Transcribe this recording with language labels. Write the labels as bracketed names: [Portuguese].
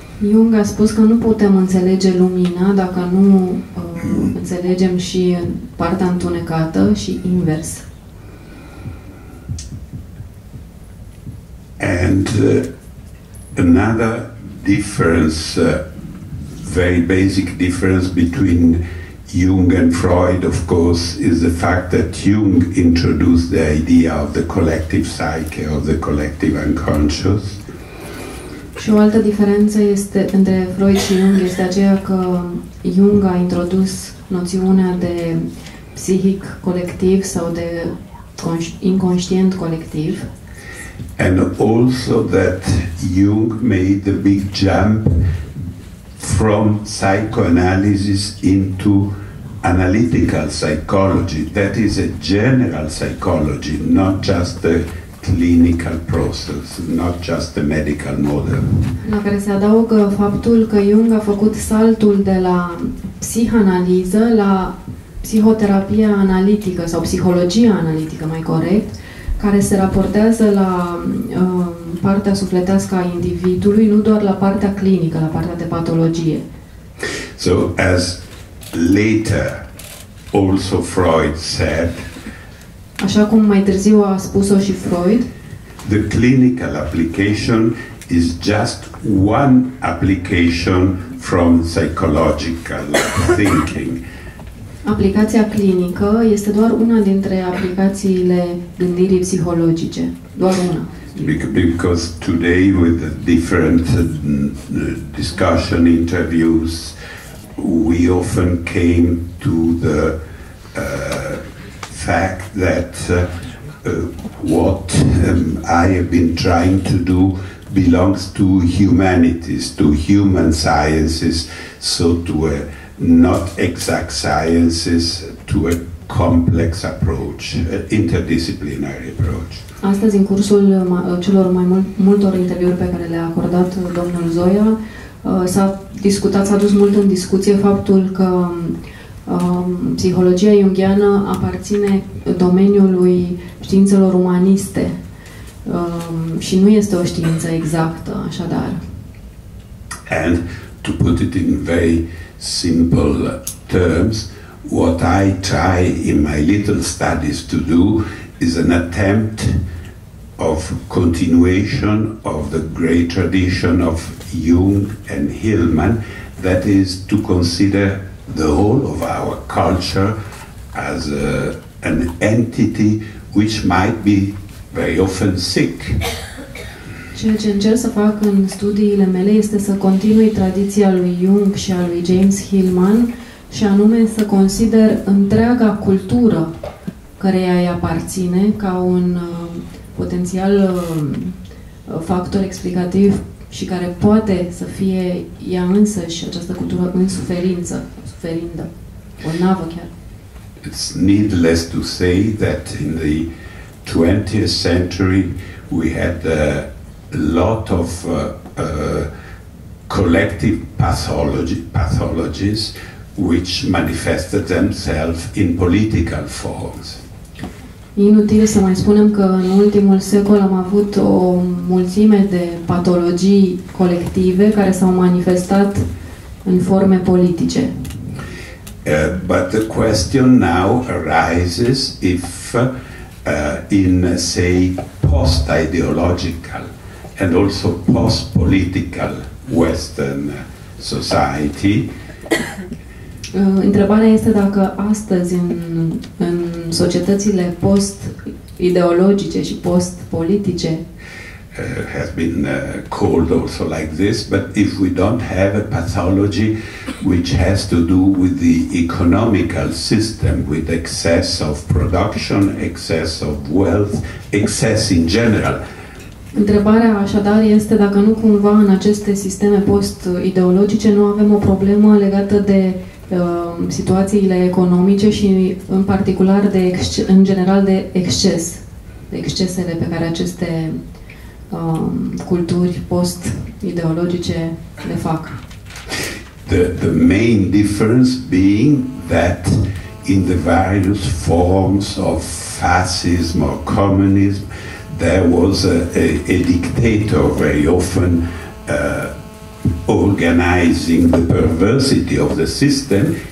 [Romanian] Jung a spus că nu putem înțelege lumina dacă nu înțelegem și partea întunecată și invers. [English] And another difference, very basic difference between Jung and Freud, of course, is the fact that Jung introduced the idea of the collective psyche, of the collective unconscious. [Romanian] Și o altă diferență este între Freud și Jung este aceea că Jung a introdus noțiunea de psihic colectiv sau de inconștient colectiv. [English] And also that Jung made the big jump from psychoanalysis into analytical psychology. That is a general psychology, not just the clinical process, not just the medical model. [Romanian] La care se adaugă faptul că Jung a făcut saltul de la psihanaliză la psihoterapia analitică sau psihologia analitică, mai corect, care se raportează la partea sufletească a individului, nu doar la partea clinică, la partea de patologie. [English] So, as later also Freud said, [Romanian] așa cum mai târziu a spus-o și Freud, [English] the clinical application is just one application from psychological thinking. [Romanian] Aplicația clinică este doar una dintre aplicațiile gândirii psihologice. Doar una. [English] Because today with the different discussion interviews, we often came to the fact that what I have been trying to do belongs to humanities, to human sciences, so to a not exact sciences, to a complex approach, interdisciplinary approach. [Romanian] Astăzi, în cursul celor mai multor interviuri pe care le-a acordat domnul Zoia, s-a discutat, s-a dus mult în discuție faptul că psihologia iungheană aparține domeniului științelor umaniste și nu este o știință exactă, așadar. [English] And to put it in very simple terms, what I try in my little studies to do is an attempt of continuation of the great tradition of Jung and Hillman, that is to consider the whole of our culture as an entity which might be very often sick. [Romanian] Ceea ce încerc să fac în studiile mele este să continui tradiția lui Jung și a lui James Hillman și anume să consider întreaga cultură căreia îi aparține ca un potențial factor explicativ și care poate să fie ea însăși, această cultură, în suferință, suferindă, o navă chiar. [English] It's needless to say that in the 20th century we had a lot of collective pathologies which manifested themselves in political forms. [Romanian] Inutil să mai spunem că în ultimul secol am avut o mulțime de patologii colective care s-au manifestat în forme politice. [English] But the question now arises if in say post-ideological and also post-political Western society. [Romanian] Întrebarea este dacă astăzi în societățile post-ideologice și post-politice [English] has been called also like this, but if we don't have a pathology which has to do with the economical system, with excess of production, excess of wealth, excess in general. [Romanian] Întrebarea așadar este dacă nu cumva în aceste sisteme post-ideologice nu avem o problemă legată de situațiile economice și în particular de în general de exces, de excesele pe care aceste culturi post-ideologice le fac. [English] The main difference being that in the various forms of fascism or communism there was a dictator very often organizing the perversity of the system.